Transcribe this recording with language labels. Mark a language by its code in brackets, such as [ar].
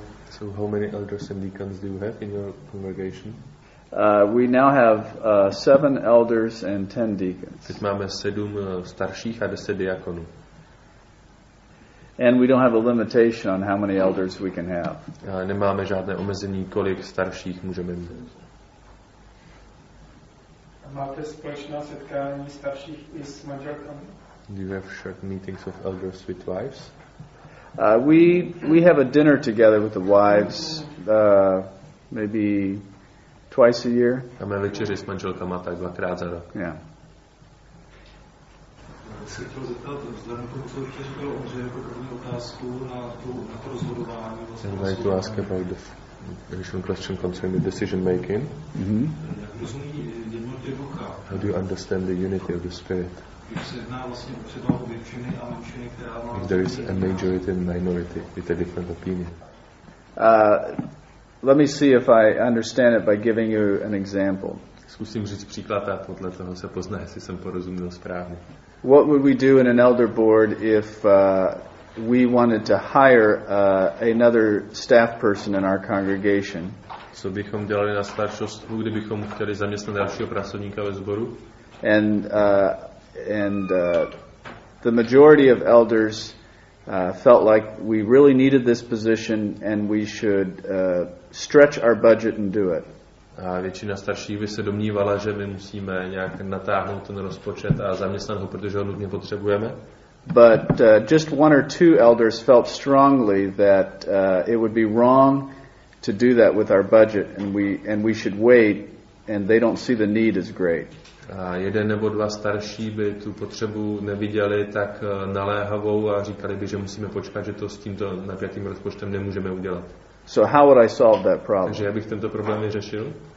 [en] So how many elders and deacons do you have in your congregation? We now have 7 elders and 10 deacons. [cs] Teď máme 7 starších a 10 diakonů. [en] And we don't have a limitation on how many elders we can have. [cs] Nemáme žádné omezení, kolik starších můžeme mít. A máte společná setkání starších i s manželkami? [en] Do you have shared meetings of elders with wives? We have a dinner together with the wives, maybe twice a year. [cs] A máme večeři s manželkama tak dvakrát za rok. [en] Yeah. And I'd like to ask about the initial question concerning the decision making. Mm-hmm. How do you understand the unity of the Spirit? If there is a majority and minority with a different opinion. Let me see if I understand it by giving you an example. [cs] Zkusím říct příklad a podle toho se pozná, jestli jsem porozuměl správně. [en] What would we do in an elder board if we wanted to hire another staff person in our congregation? [cs] Co bychom dělali na staršostvu, kdybychom chtěli zaměstnat dalšího pracovníka ve sboru? [en] And the majority of elders felt like we really needed this position and we should stretch our budget and do it. [cs] A většina starších by se domnívala, že my musíme nějak natáhnout ten rozpočet a zaměstnat ho, protože ho nutně potřebujeme. [en] But just one or two elders felt strongly that it would be wrong to do that with our budget and we should wait, and they don't see the need as great. [cs] A jeden nebo dva starší by tu potřebu neviděli tak naléhavou a říkali by, že musíme počkat, že to s tímto napjatým rozpočtem nemůžeme udělat. [en] So how would I solve that problem? [cs] Takže já bych tento problém vyřešil.